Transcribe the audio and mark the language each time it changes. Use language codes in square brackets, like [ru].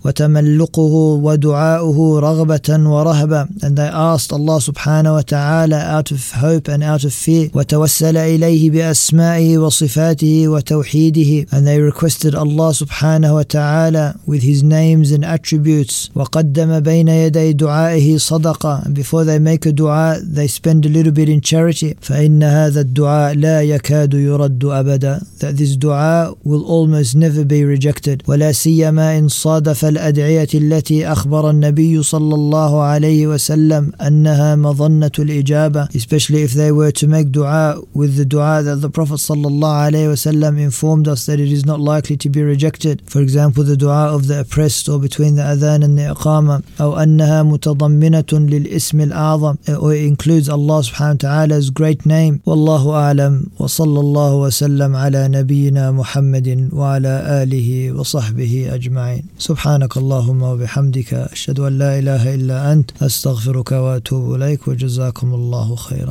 [ar] وتملقه ودعاؤه رغبة ورهبة, [en] and they asked Allah subhanahu wa ta'ala out of hope and out of fear. [ar] وتوسل إليه بأسمائه وصفاته وتوحيده, [en] and they requested Allah [ar] سبحانه وتعالى [en] with his names and attributes. [ar] وقدم بين يدي دعائه صدقة, [en] and before they make a dua they spend a little bit in charity. [ar] فإن هذا الدعاء لا يكاد يرد أبدا, [en] that this dua will almost never be rejected, [ar] ولا سيما إن صادف الأدعية التي أخبر النبي صلى الله عليه وسلم أنها مظنة الإجابة, [en] especially if they were to make dua with the dua that the Prophet [ar] صلى الله عليه وسلم [en] وسلم informed us that it is not likely to be rejected. For example, the dua of the oppressed or between the adhan and the iqama. [ar] أو أنها متضمنة للإسم الأعظم. [en] Or it includes Allah subhanahu wa ta'ala's great name. [ar] والله أعلم وصلى الله وسلم على نبينا محمد وعلى آله وصحبه أجمعين. سبحانك اللهم وبحمدك أشهد أن لا إله إلا أنت أستغفرك وأتوب إليك وجزاكم الله خيرا.